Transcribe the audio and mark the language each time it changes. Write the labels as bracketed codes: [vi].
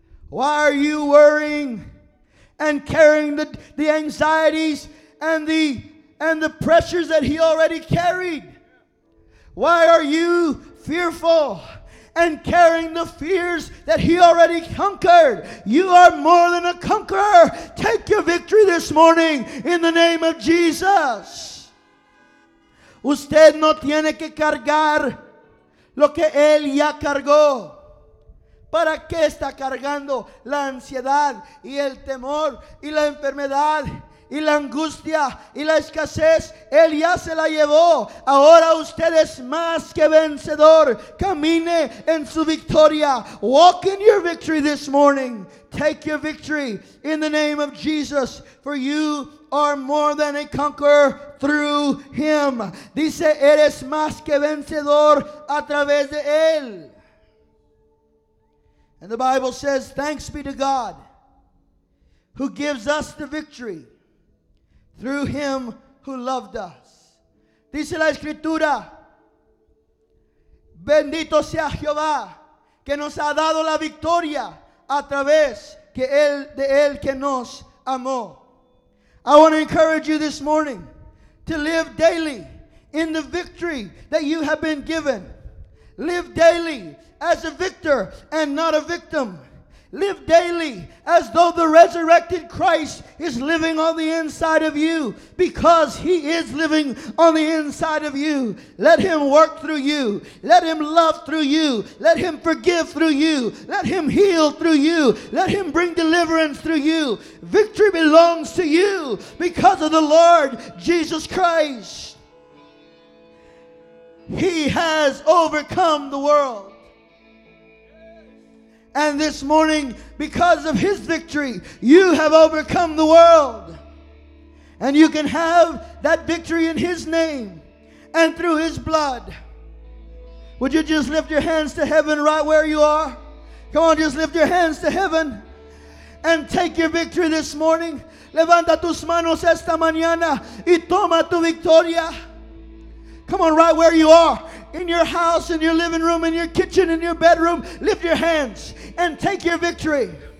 [en] Why are you worrying and carrying the anxieties and the pressures that he already carried? Why are you fearful and carrying the fears that he already conquered? You are more than a conqueror. Take your victory this morning in the name of Jesus. [es] Usted no tiene que cargar lo que él ya cargó. ¿Para qué está cargando la ansiedad y el temor y la enfermedad y la angustia y la escasez? Él ya se la llevó. Ahora usted es más que vencedor. Camine en su victoria. [en] Walk in your victory this morning. Take your victory in the name of Jesus. For you are more than a conqueror through him. [es] Dice, eres más que vencedor a través de él. [en] And the Bible says, thanks be to God who gives us the victory through him who loved us. [es] Dice la Escritura, bendito sea Jehová que nos ha dado la victoria a través que él, de él que nos amó. [en] I want to encourage you this morning to live daily in the victory that you have been given. Live daily as a victor and not a victim. Live daily as though the resurrected Christ is living on the inside of you, because he is living on the inside of you. Let him work through you. Let him love through you. Let him forgive through you. Let him heal through you. Let him bring deliverance through you. Victory belongs to you because of the Lord Jesus Christ. He has overcome the world. And this morning, because of his victory, you have overcome the world. And you can have that victory in His name and through His blood. Would you just lift your hands to heaven right where you are? Come on, just lift your hands to heaven and take your victory this morning. [es] Levanta tus manos esta mañana y toma tu victoria. [en] Come on, right where you are, in your house, in your living room, in your kitchen, in your bedroom, lift your hands and take your victory.